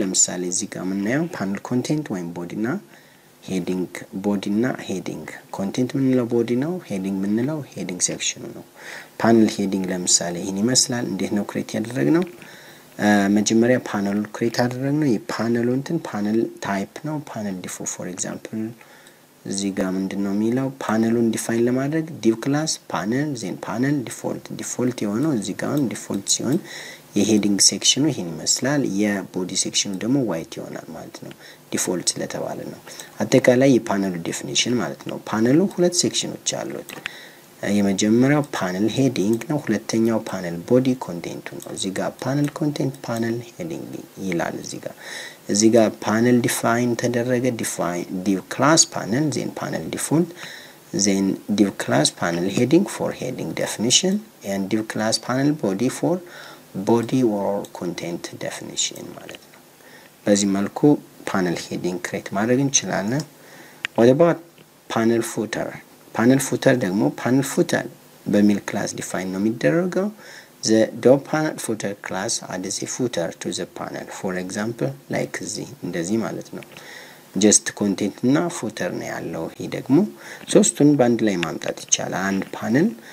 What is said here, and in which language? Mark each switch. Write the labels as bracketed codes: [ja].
[am] ለምሳሌ እዚህ ጋር ምናየው panel content ወይም body እና heading body እና heading content ምንለው body ነው heading ምንለው heading section ነው። panel heading ለምሳሌ ይሄን ይመስላል። እንዴት ነው create ያደረግነው? መጀመሪያ panel create አደረግነው። የpanel እንትን panel type ነው panel div for example እዚህ ጋር ምንድነው የሚለው panelን define ለማድረግ div class panel then panel default default የሆነው እዚህ ጋር default ሲሆን የheading section-ው ይሄን ይመስላል። የbody section-ው ደግሞ white ይሆናል ማለት ነው default ለተባለ ነው። አጠቃላይ የpanel definition ማለት ነው። panel-ው ሁለት section-ዎች አሉት። የመጀመሪያው panel heading ነው። ሁለተኛው panel body content ነው። እዚህ ጋር panel content panel heading ይላል። [en] እዚህ ጋር panel define ተደረገ define div class panel then panel default then div class panel heading for heading definition and div class panel body for body or content definition ማለት ነው። [am] በዚህ መልኩ panel heading create ማድረግ እንችላለን። [en] what about panel footer? panel footer ደግሞ panel footer በሚል class define ነው የሚደረገው። the dot panel footer class adds a footer to the panel for example like z እንደዚህ ማለት ነው። just content እና footer ነው ያለው። [am] ይሄ ደግሞ ሶስቱን ባንድ ላይ ማምጣት ይቻላል። [en] አንድ panel